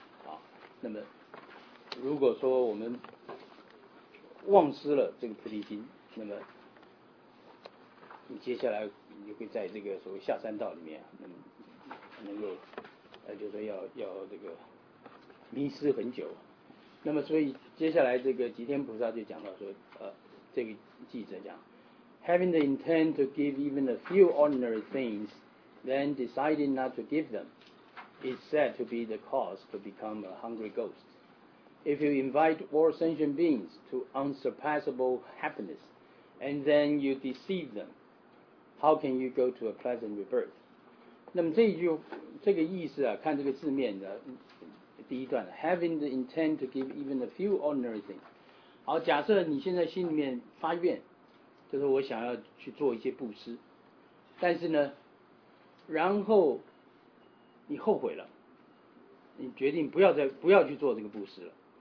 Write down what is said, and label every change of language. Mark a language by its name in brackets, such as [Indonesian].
[Chinese] 好，那么如果说我们忘失了这个菩提心，那么你接下来你会在这个所谓下三道里面、啊，那么能够就说要这个迷失很久。那么所以接下来这个吉天菩萨就讲到说，这个记者讲 [English] ，having the intent to give even a few ordinary things, then deciding not to give them, is said to be the cause to become a hungry ghost. If you invite all sentient beings to unsurpassable happiness, and then you deceive them, how can you go to a pleasant rebirth? [Chinese] 那么这一句这个意思啊，看这个字面的。第一段 [English] ，having the intent to give even a few ordinary things。 [Chinese] 好，假设你现在心里面发愿，就是我想要去做一些布施，但是呢，然后你后悔了，你决定不要去做这个布施了。